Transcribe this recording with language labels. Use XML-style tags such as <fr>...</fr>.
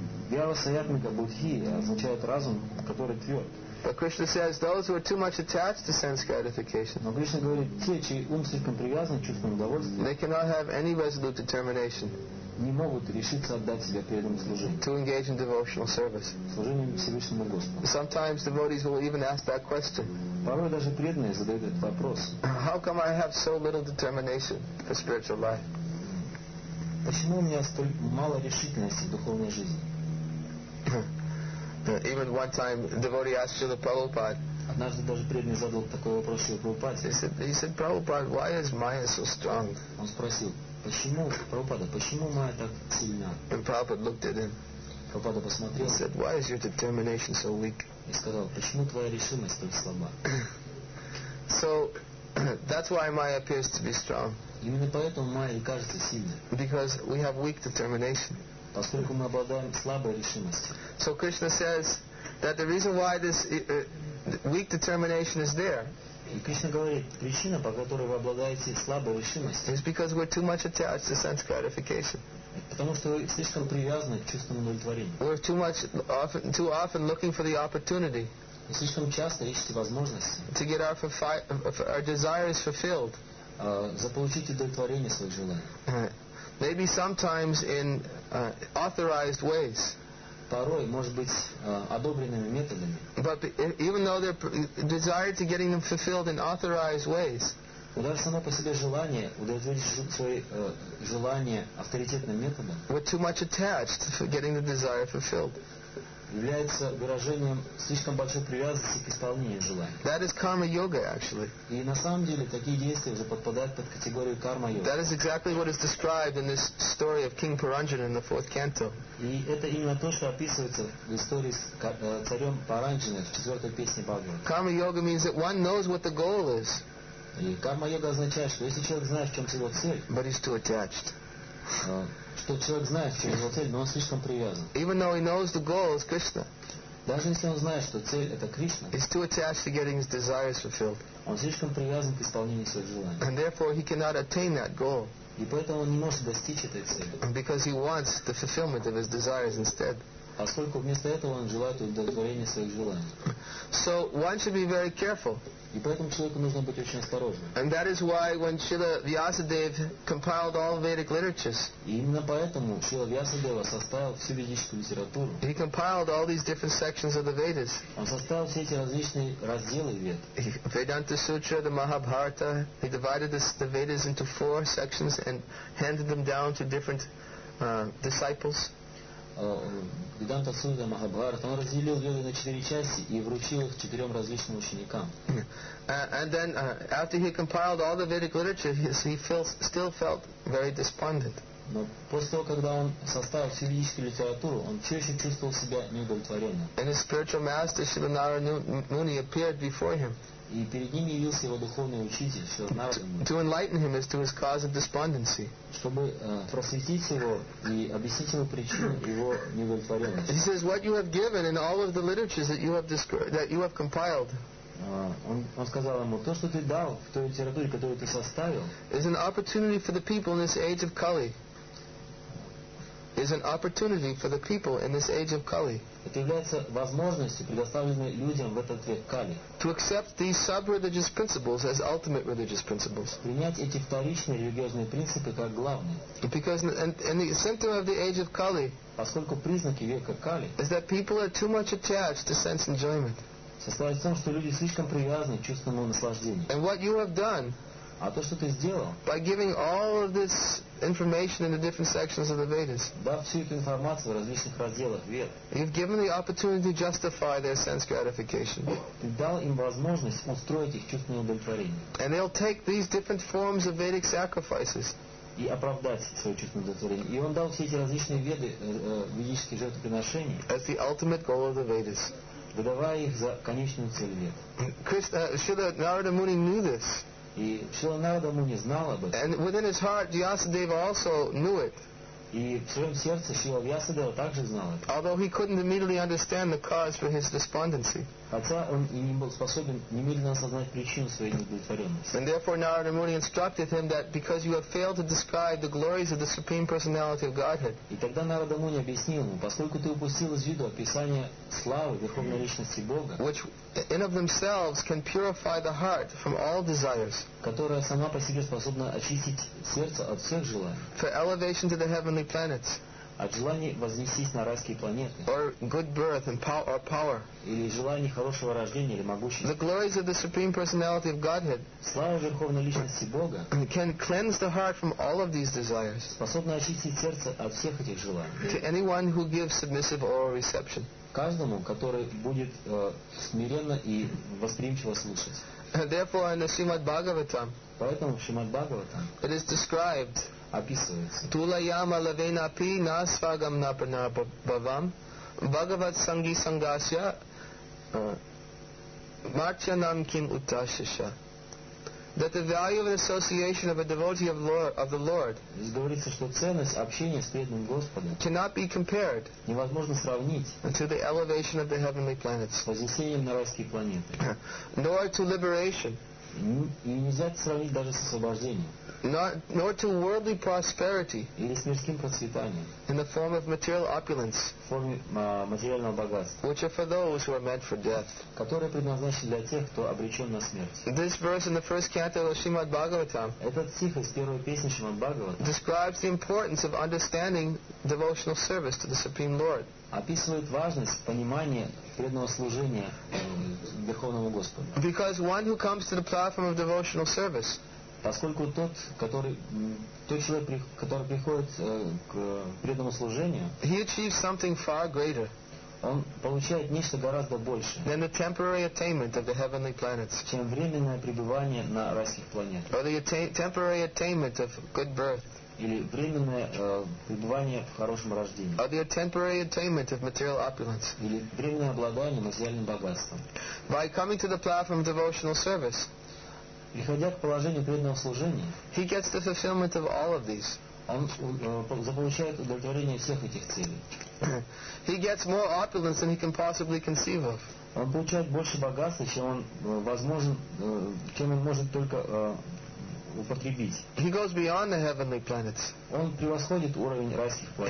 <ru>Вьявасаятмака Будхи означает разум, который тверд.</ru> <en>But Krishna says those who are too much attached to sense gratification,</en> <ru>но Кришна говорит, те, чьи ум слишком привязан к чувствам удовольствия,</ru> <en>they cannot have any resolute determination,</en> <ru>не могут решиться отдать себя преданному служению,</ru> <en>to engage in devotional service,</en> <ru>служению Всевышнему Господу.</ru> <en>Sometimes devotees will even ask that question.</en> <ru>Порой даже преданные задают этот вопрос.</ru> <en>How come I have so little determination for spiritual life?</en> <ru>Почему у меня столь мало решительности в духовной жизни?</ru> <en>Even one time, a devotee asked Srila Prabhupada.</en> <ru>Однажды даже преданный задал такой вопрос Шрила Прабхупаде.</ru> <en>He said, Prabhupada, why is Maya so strong?</en> <ru>Он спросил, почему Прабхупада, почему Maya так сильна?</ru> <en>And Prabhupada looked at him.</en> <ru>Прабхупада посмотрел.</ru> <en>He said, why is your determination so weak?</en> <ru>И сказал, почему твоя решимость так слаба?</ru> <en>So that's why Maya appears to be strong.</en> <ru>Именно поэтому Maya и кажется сильной.</ru> <en>Because we have weak determination.</en> <ru>Поскольку мы обладаем слабой решимостью.</ru> <en>So Krishna says that the reason why this weak determination is there,</en> <ru>и Кришна говорит, причина, по которой вы обладаете слабой решимостью,</ru> <en>is because we're too much attached to sense gratification.</en> <ru>Потому что вы слишком привязаны к чувственному удовлетворению.</ru> <en>We're too often looking for the opportunity.</en> <ru>И слишком часто ищете возможности.</ru> <en>To get our desires fulfilled.</en> <ru>Заполучить удовлетворение своих желаний.</ru> <en>Maybe sometimes in authorized ways.</en> <ru>Порой, может быть, одобренными методами.</ru> <en>But even though they're desire to getting them fulfilled in authorized ways.</en> <ru>Даже само по себе желание удовлетворить свои желания авторитетным методом.</ru> <en>We're too much attached to getting the desire fulfilled.</en> <ru>Является выражением слишком большой привязанности к исполнению желаний.</ru> <en>That is karma yoga, actually.</en> <ru>И на самом деле такие действия уже подпадают под категорию карма йога.</ru> <en>That is exactly what is described in this story of King Paranjan in the fourth canto.</en> <ru>И это именно то, что описывается в истории с царем Паранджаном в четвертой песне Бхагавата.</ru> <en>Karma yoga means that one knows what the goal is.</en> <ru>И карма йога означает, что если человек знает, в чем его цель,</ru> <en>but he's too attached.</en> <ru>Что человек знает, в чем его цель, но он слишком привязан.</ru> <en>Even though he knows the goal is Krishna,</en> <ru>даже если он знает, что цель это Кришна,</ru> <en>he's too attached to getting his desires fulfilled.</en> <ru>Он слишком привязан к исполнению своих желаний.</ru> <en>And therefore he cannot attain that goal.</en> <ru>И поэтому он не может достичь этой цели.</ru> <en>Because he wants the fulfillment of his desires instead.</en> <ru>Поскольку вместо этого он желает удовлетворения своих желаний.</ru> <en>So one should be very careful.</en> <ru>И поэтому человеку нужно быть очень осторожным.</ru> <en>And that is why when Srila Vyasadeva compiled all Vedic literatures,</en> <ru>и именно поэтому Шрила Вьясадева составил всю ведическую литературу.</ru> <en>He compiled all these different sections of the Vedas.</en> <ru>Он составил все эти различные разделы Вед.</ru> <en>Vedanta Sutra, the Mahabharata, he divided the Vedas into four sections and handed them down to different disciples.</en> <ru>Веданта Сутра, Махабхарата, он разделил Веды на четыре части и вручил их четырем различным ученикам.</ru> <en>After he compiled all the Vedic literature, he still felt very despondent.</en> <ru>Но после того, когда он составил всю ведическую литературу, он все еще чувствовал себя неудовлетворенным.</ru> <en>And his spiritual master, Shiva Nara Muni, appeared before him.</en> <ru>И перед ним явился его духовный учитель, Шрила Нара Муни.</ru> <en>To enlighten him as to his cause of despondency.</en> <ru>Чтобы просветить его и объяснить ему причину его неудовлетворенности.</ru> <en>He says, what you have given in all of the literatures that you have compiled.</en> <ru>Он сказал ему, то, что ты дал в той литературе, которую ты составил,</ru> <en>is an opportunity for the people in this age of Kali. Is an opportunity for the people in this age of Kali.</en> <ru>Это является возможностью, предоставленной людям в этот век Кали.</ru> <en>To accept these sub-religious principles as ultimate religious principles.</en> <ru>Принять эти вторичные религиозные принципы как главные.</ru> <en>Because in the center of the age of Kali,</en> <ru>поскольку признаки века Кали,</ru> <en>is that people are too much attached to sense enjoyment.</en> <ru>Состоит в том, что люди слишком привязаны к чувственному наслаждению.</ru> <en>And what you have done,</en> <ru>А то, что ты сделал?</ru> <en>By giving all of this information in the different sections of the Vedas.</en> <ru>Дав всю эту информацию в различных разделах Вед.</ru> <en>You've given the opportunity to justify their sense gratification.</en> <ru>Ты дал им возможность устроить их чувство удовлетворения.</ru> <en>And they'll take these different forms of Vedic sacrifices.</en> <ru>И оправдать свое чувство удовлетворения. И он дал все эти различные веды, ведические жертвоприношения.</ru> <en>As the ultimate goal of the Vedas.</en> <ru>Выдавая их за конечную цель Вед.</ru> <en>Шрила Нарада Муни knew this.</en> <ru>И Шрила Нарада Муни знал об этом.</ru> <en>And within his heart, Vyasadeva also knew it.</en> <ru>И в своем сердце Шрила Вьясадева также знал это.</ru> <en>Although he couldn't immediately understand the cause for his despondency.</en> <ru>Хотя он и не был способен немедленно осознать причину своей неудовлетворенности.</ru> <en>And therefore Narada Muni instructed him that because you have failed to describe the glories of the Supreme Personality of Godhead.</en> <ru>И тогда Нарада Муни объяснил ему, поскольку ты упустил из виду описание славы Верховной Личности Бога,</ru> <en>which in of themselves can purify the heart from all desires,</en> <ru>которая сама по себе способна очистить сердце от всех желаний,</ru> <en>for elevation to the heavenly planets,</en> <ru>от желания вознестись на райские планеты,</ru> <en>or good birth and power,</en> <ru>или желание хорошего рождения или могущества,</ru> <en>the glories of the Supreme Personality of Godhead,</en> <ru>слава Верховной Личности Бога,</ru> <en>can cleanse the heart from all of these desires,</en> <ru>способна очистить сердце от всех этих желаний,</ru> <en>to anyone who gives submissive oral reception,</en> <ru>каждому, который будет смиренно и восприимчиво слушать.</ru> <en>Therefore, in the Srimad Bhagavatam,</en> <ru>поэтому в Шримад Бхагаватам,</ru> <en>it is described,</en> <ru>описывается.</ru> <sa>Тулаяма лавена пи на свагам на пана бавам Бхагават санги сангасья марча нам ким утташеша.</sa> <en>That the value of an association of a devotee of, Lord, of the Lord,</en> <ru>здесь говорится, что ценность общения с преданным Господом,</ru> <en>cannot be compared,</en> <ru>невозможно сравнить,</ru> <en>to the elevation of the heavenly planets,</en> <ru>с вознесением на райские планеты,</ru> <en>nor to liberation,</en> <ru>и нельзя сравнить даже с освобождением,</ru> <en>nor to worldly prosperity,</en> <ru>или с мирским процветанием,</ru> <en>in the form of material opulence,</en> <ru>в форме материального богатства,</ru> <en>which are for those who are meant for death,</en> <ru>которые предназначены для тех, кто обречен на смерть.</ru> <en>This verse in the first canto of Srimad Bhagavatam,</en> <ru>этот стих из первой песни Шримад Бхагаватам,</ru> <en>describes the importance of understanding devotional service to the Supreme Lord,</en> <ru>описывает важность понимания преданного служения Верховному Господу.</ru> <en>Because one who comes to the platform of devotional service,</en> <ru>поскольку тот, который, тот человек, который приходит к преданному служению,</ru> <en>he achieves something far greater,</en> <ru>он получает нечто гораздо больше,</ru> <en>than the temporary attainment of the heavenly planets,</en> <ru>чем временное пребывание на райских планетах,</ru> <en>or the temporary attainment of good birth,</en> <ru>или временное пребывание в хорошем рождении,</ru> <en>or the temporary attainment of material opulence,</en> <ru>или временное обладание материальным богатством.</ru> <en>By coming to the platform of devotional service,</en> <ru>приходя к положению преданного служения,</ru> <en>he gets the fulfillment of all of these.</en> <ru>Он заполучает удовлетворение всех этих целей.</ru> <en>He gets more opulence than he can possibly conceive of.</en> <ru>Он получает больше богатства, чем он возможен, чем он может только употребить.</ru> <en>He goes beyond the heavenly planets.</en> <ru>Он превосходит уровень райских планет.</ru>